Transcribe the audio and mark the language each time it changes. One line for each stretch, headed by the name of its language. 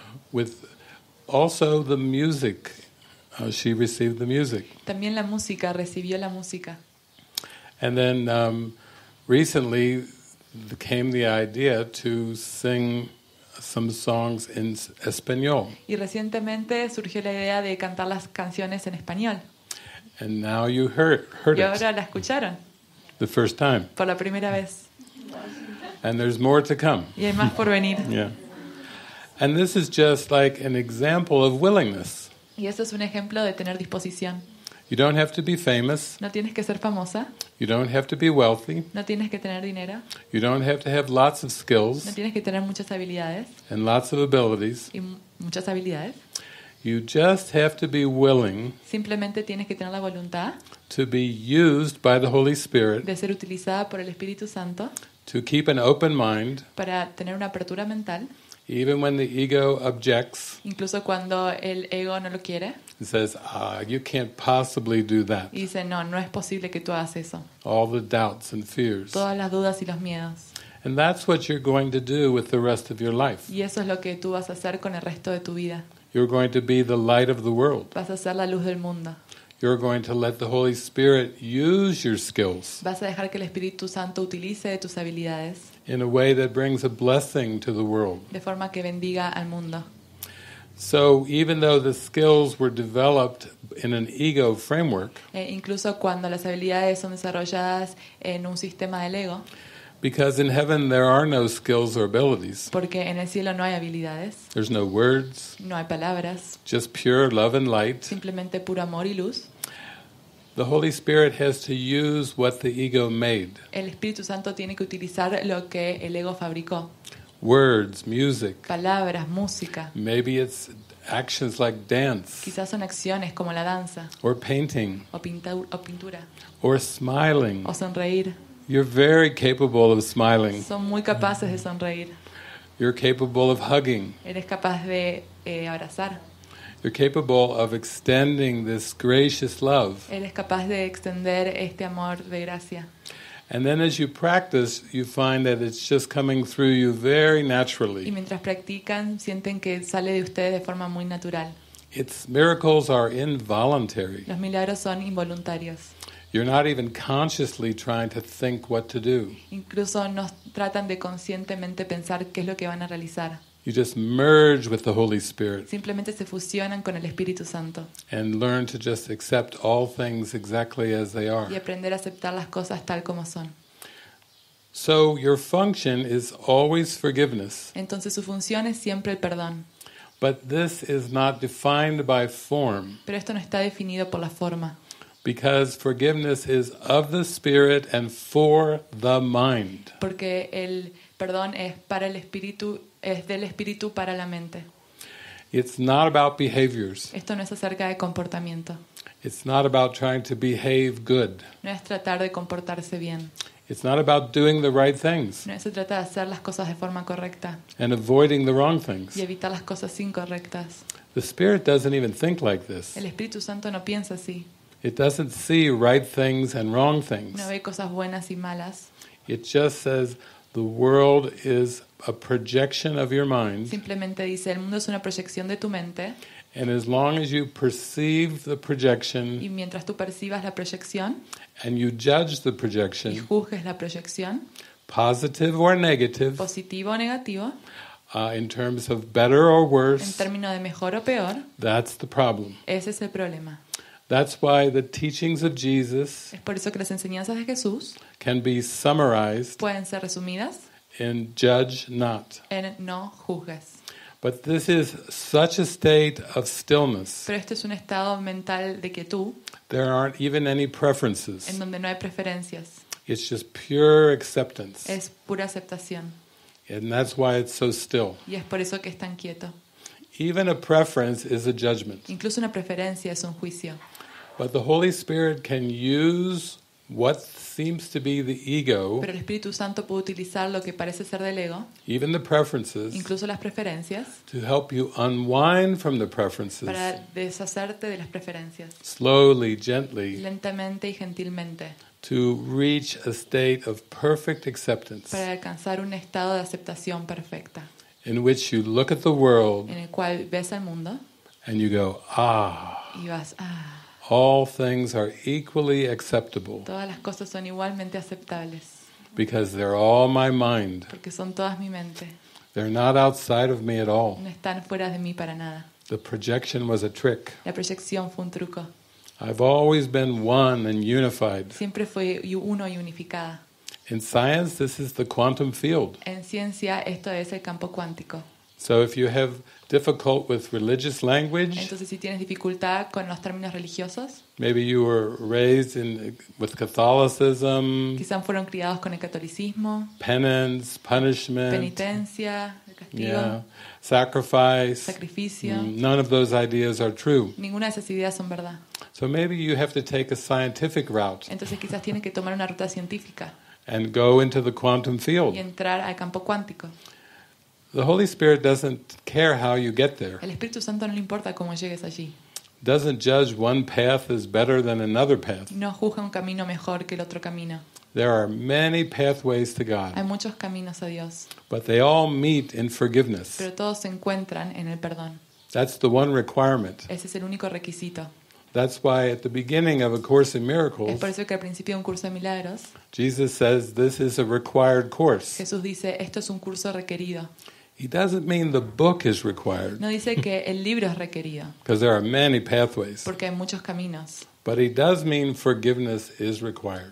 English: With also the music, she received the music.
Spanish: También la música, recibió la música.
English: And then recently came the idea to sing some songs in español.
Spanish: Y recientemente surgió la idea de cantar las canciones en español.
English: And now you heard it.
Spanish: Y ahora la escucharon.
English: The first time.
Spanish: Por la primera vez.
English: And there's more to come.
Spanish: Y hay más por venir.
English: Yeah. And this is just like an example of willingness.
Spanish: Y eso es un ejemplo de tener disposición.
English: You don't have to be famous.
Spanish: No tienes que ser famosa.
English: You don't have to be wealthy.
Spanish: No tienes que tener dinero.
English: You don't have to have lots of skills.
Spanish: No tienes que tener muchas habilidades.
English: And lots of abilities.
Spanish: Y muchas habilidades.
English: You just have to be willing.
Spanish: Simplemente tienes que tener la voluntad.
English: To be used by the Holy Spirit.
Spanish: De ser utilizada por el Espíritu Santo.
English: To keep an open mind.
Spanish: Para tener una apertura mental.
English: Even when the ego objects,
Spanish: incluso cuando el ego no lo quiere,
English: it says, you can't possibly do that.
Spanish: Y dice, no, no es posible que tú hagas eso.
English: All the doubts and fears.
Spanish: Todas las dudas y los miedos.
English: And that's what you're going to do with the rest of your life.
Spanish: Y eso es lo que tú vas a hacer con el resto de tu vida.
English: You're going to be the light of the world.
Spanish: Vas a ser la luz del mundo.
English: You're going to let the Holy Spirit use your skills.
Spanish: Vas a dejar que el Espíritu Santo utilice tus habilidades.
English: In a way that brings a blessing to the world.
Spanish: De forma que bendiga al mundo.
English: So even though the skills were developed in an ego framework,
Spanish: incluso cuando las habilidades son desarrolladas en un sistema del ego,
English: because in heaven there are no skills or abilities.
Spanish: Porque en el cielo no hay habilidades.
English: There's no words.
Spanish: No hay palabras.
English: Just pure love and light.
Spanish: Simplemente puro amor y luz.
English: The Holy Spirit has to use what the ego made.
Spanish: El Espíritu Santo tiene que utilizar lo que el ego fabricó.
English: Words, music.
Spanish: Palabras, música.
English: Maybe it's actions like dance.
Spanish: Quizás son acciones como la danza.
English: Or painting.
Spanish: O pintura.
English: Or smiling.
Spanish: O sonreír.
English: You're very capable of smiling.
Spanish: Son muy capaces de sonreír.
English: You're capable of hugging.
Spanish: Eres capaz de abrazar.
English: You're capable of extending this gracious love.
Spanish: Eres capaz de extender este amor de gracia.
English: And then as you practice, you find that it's just coming through you very naturally.
Spanish: Y mientras practican, sienten que sale de ustedes de forma muy natural.
English: Its miracles are involuntary.
Spanish: Los milagros son involuntarios.
English: You're not even consciously trying to think what to do.
Spanish: Incluso no tratan de conscientemente pensar qué es lo que van a realizar.
English: You just merge with the Holy Spirit.
Spanish: Simplemente se fusionan con el Espíritu Santo.
English: And learn to just accept all things exactly as they are.
Spanish: Y aprender a aceptar las cosas tal como son.
English: So your function is always forgiveness.
Spanish: Entonces su función es siempre el perdón.
English: But this is not defined by form.
Spanish: Pero esto no está definido por la forma.
English: Because forgiveness is of the spirit and for the mind.
Spanish: Porque el perdón es para el espíritu, es del espíritu para la mente.
English: It's not about behaviors.
Spanish: Esto no es acerca de comportamiento.
English: It's not about trying to behave good.
Spanish: No es tratar de comportarse bien.
English: It's not about doing the right things.
Spanish: No se trata de hacer las cosas de forma correcta.
English: And avoiding the wrong things.
Spanish: Y evitar las cosas incorrectas.
English: The Spirit doesn't even think like this.
Spanish: El Espíritu Santo no piensa así.
English: It doesn't see right things and wrong things.
Spanish: No ve cosas buenas y malas.
English: It just says the world is a projection of your mind.
Spanish: Simplemente dice el mundo es una proyección de tu mente.
English: And as long as you perceive the projection,
Spanish: y mientras tú percibas la proyección,
English: and you judge the projection,
Spanish: y juzgues la proyección,
English: positive or negative,
Spanish: positivo o negativo,
English: in terms of better or worse,
Spanish: en término de mejor o peor,
English: that's the problem.
Spanish: Ese es el problema.
English: That's why the teachings of Jesus,
Spanish: es por eso que las enseñanzas de Jesús,
English: can be summarized,
Spanish: pueden ser resumidas,
English: in judge not,
Spanish: en no juzgues.
English: But this is such a state of stillness.
Spanish: Pero este es un estado mental de quietud.
English: There aren't even any preferences.
Spanish: En donde no hay preferencias.
English: It's just pure acceptance.
Spanish: Es pura aceptación.
English: And that's why it's so still.
Spanish: Y es por eso que es tan quieto.
English: Even a preference is a judgment.
Spanish: Incluso una preferencia es un juicio.
English: But the Holy Spirit can use what seems to be the ego.
Spanish: Pero el Espíritu Santo puede utilizar lo que parece ser del ego.
English: Even the preferences.
Spanish: Incluso las preferencias.
English: To help you unwind from the preferences.
Spanish: Para deshacerte de las preferencias.
English: Slowly, gently.
Spanish: Lentamente y gentilmente.
English: To reach a state of perfect acceptance.
Spanish: Para alcanzar un estado de aceptación perfecta.
English: In which you look at the world.
Spanish: En el cual ves al mundo.
English: And you go, ah.
Spanish: Y vas, ah.
English: All things are equally acceptable.
Spanish: Todas las cosas son igualmente aceptables.
English: Because they're all my mind.
Spanish: Porque son todas mi mente.
English: They're not outside of me at all.
Spanish: No están fuera de mí para nada.
English: The projection was a trick.
Spanish: La proyección fue un truco.
English: I've always been one and unified.
Spanish: Siempre fui uno y unificada.
English: In science, this is the quantum field.
Spanish: En ciencia, esto es el campo cuántico.
English: So if you have difficult with religious language,
Spanish: entonces si tienes dificultad con los términos religiosos,
English: maybe you were raised in with Catholicism,
Spanish: quizás fueron criados con el catolicismo,
English: penance, punishment,
Spanish: penitencia, el castigo,
English: yeah, sacrifice,
Spanish: sacrificio,
English: none of those ideas are true.
Spanish: Ninguna de esas ideas son verdad.
English: So maybe you have to take a scientific route.
Spanish: Entonces quizás tienes que tomar una ruta científica.
English: And go into the quantum field.
Spanish: Y entrar al campo cuántico.
English: The Holy Spirit doesn't care how you get there.
Spanish: El Espíritu Santo no le importa cómo llegues allí.
English: Doesn't judge one path is better than another path.
Spanish: No juzga un camino mejor que el otro camino.
English: There are many pathways to God.
Spanish: Hay muchos caminos a Dios.
English: But they all meet in forgiveness.
Spanish: Pero todos se encuentran en el perdón.
English: That's the one requirement.
Spanish: Ese es el único requisito.
English: That's why at the beginning of a course in miracles,
Spanish: es por eso que al principio de un curso de milagros,
English: Jesus says this is a required course.
Spanish: Jesús dice esto es un curso requerido.
English: He doesn't mean the book is required.
Spanish: No dice que el libro es requerido.
English: Because there are many pathways.
Spanish: Porque hay muchos caminos.
English: But he does mean forgiveness is required.